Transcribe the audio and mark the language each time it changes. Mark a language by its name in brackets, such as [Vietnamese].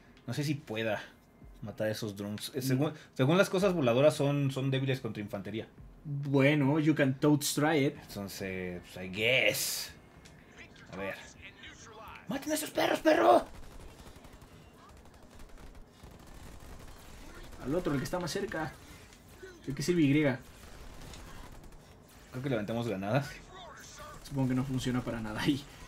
[Spanish] No sé si pueda matar a esos drones. Según las cosas voladoras son débiles contra infantería. [English] Bueno, you can totes try it. [Spanish] Entonces, [English] I guess. [Spanish] A ver. ¡Maten a esos perros, perro! Al otro, el que está más cerca. ¿De qué sirve Y? Creo que levantamos granadas. Supongo que no funciona para nada ahí.